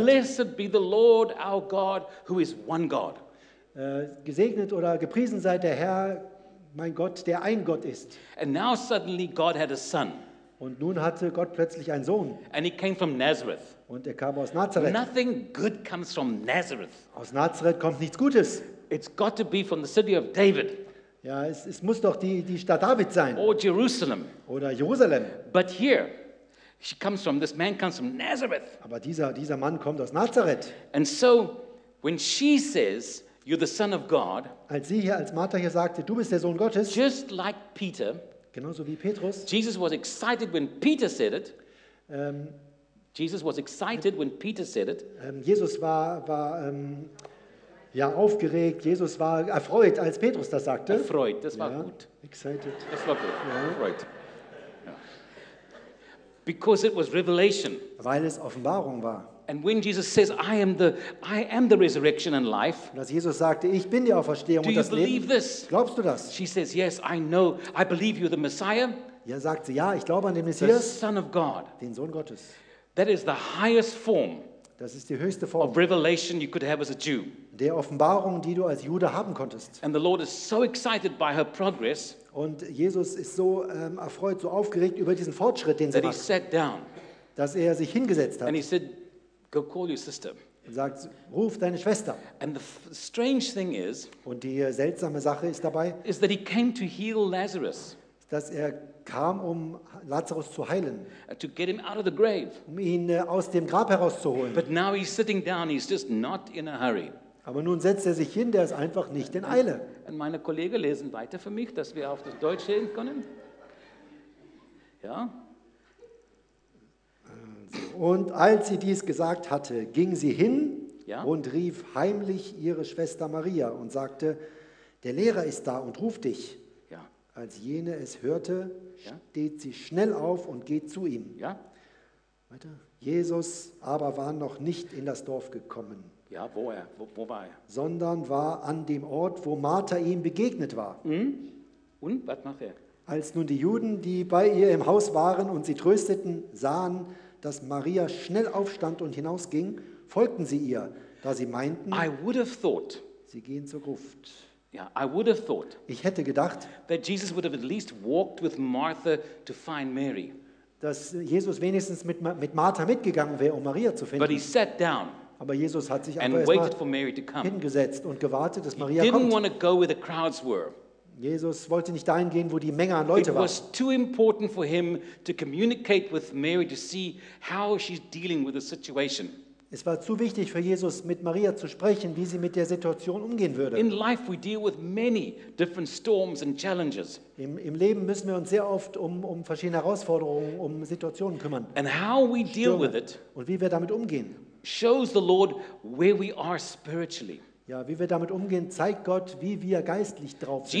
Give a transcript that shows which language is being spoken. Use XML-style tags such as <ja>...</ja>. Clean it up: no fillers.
<en>Blessed be the Lord our God, who is one God.</en> <de>Gesegnet oder gepriesen sei der Herr, mein Gott, der ein Gott ist.</de> <en>And now suddenly God had a son.</en> <de>Und nun hatte Gott plötzlich einen Sohn.</de> <en>And he came from Nazareth.</en> <de>Und er kam aus Nazareth.</de> <en>Nothing good comes from Nazareth.</en> <de>Aus Nazareth kommt nichts Gutes.</de> <en>It's got to be from the city of David.</en> <de>Ja, es muss doch die Stadt David sein.</de> <en>Or Jerusalem.</en> <de>Oder Jerusalem.</de> <en>But here, she comes from, this man comes from Nazareth.</en> <de>Aber dieser Mann kommt aus Nazareth.</de> <en>And so, when she says, you're the Son of God,</en> <de>als Martha hier sagte, du bist der Sohn Gottes,</de> <en>just like Peter,</en> <de>genauso wie Petrus,</de> <en>Jesus was excited when Peter said it, Jesus was excited when Peter said it.</en> <de>Jesus war aufgeregt. Jesus war erfreut, als Petrus das sagte. Erfreut, das war gut.</de> <en>Excited.</en> <de>Das war gut. Ja. Erfreut. Ja.</de> <en>Because it was revelation.</en> <de>Weil es Offenbarung war.</de> <en>And when Jesus says, I am the resurrection and life.</en> <de>Und als Jesus sagte, ich bin die Auferstehung und das Leben. Glaubst du das?</de> <en>She says, yes, I know. I believe you're the Messiah.</en> <de>Ja, sagt sie, ja, ich glaube an den Messias.</de> <en>The Son of God.</en> <de>Den Sohn Gottes.</de> <en>That is the highest form.</en> <de>Das ist die höchste Form.</de> <en>Of revelation you could have as a Jew.</en> <de>Der Offenbarung, die du als Jude haben konntest.</de> <en>And the Lord is so excited by her progress.</en> <de>Und Jesus ist so erfreut, so aufgeregt über diesen Fortschritt, den sie macht.</de> <en>That he sat down.</en> <de>Dass er sich hingesetzt hat.</de> <en>And he said, go call your sister.</en> <de>Und sagt, ruf deine Schwester.</de> <en>And the strange thing is,</en> <de>und die seltsame Sache ist dabei,</de> <en>is that he came to heal Lazarus.</en> <de>Dass er kam, um Lazarus zu heilen.</de> <en>To get him out of the grave.</en> <de>Um ihn aus dem Grab herauszuholen.</de> <en>But now he's sitting down, he's just not in a hurry.</en> <de>Aber nun setzt er sich hin, der ist einfach nicht in Eile. Und meine Kollegen lesen weiter für mich, dass wir auf das Deutsche hin können. Ja. Und als sie dies gesagt hatte, ging sie hin und rief heimlich ihre Schwester Maria und sagte, der Lehrer ist da und ruft dich. Ja. Als jene es hörte, steht sie schnell auf und geht zu ihm. Ja. Weiter. Jesus aber war noch nicht in das Dorf gekommen. Ja, wo war er? Sondern war an dem Ort, wo Martha ihm begegnet war. Und was macht er? Als nun die Juden, die bei ihr im Haus waren und sie trösteten, sahen, dass Maria schnell aufstand und hinausging, folgten sie ihr, da sie meinten,</de> <en>I would have thought,</en> <de>sie gehen zur Gruft.</de> <en>Yeah, I would have thought,</en> <de>ich hätte gedacht,</de> <en>that Jesus would have at least walked with Martha to find Mary.</en> <de>Dass Jesus wenigstens mit Martha mitgegangen wäre, um Maria zu finden.</de> <en>But he sat down.</en> <de>Aber Jesus hat sich einfach hingesetzt und gewartet, dass Maria kommt.</de> <en>He didn't want to go where the crowds were.</en> <de>Jesus wollte nicht dahin gehen, wo die Menge an Leute war.</de> <en>It was too important for him to communicate with Mary to see how she's dealing with the situation.</en> <de>Es war zu wichtig für Jesus, mit Maria zu sprechen, wie sie mit der Situation umgehen würde.</de> <en>In life we deal with many different storms and challenges.</en> <de>Im Leben müssen wir uns sehr oft um verschiedene Herausforderungen, um Situationen kümmern.</de> <en>And how we deal with it.</en> <de>Und wie wir damit umgehen.</de> <en>Shows the Lord where we are spiritually.</en> <de>Ja, wie wir damit umgehen, zeigt Gott, wie wir geistlich drauf sind.</de>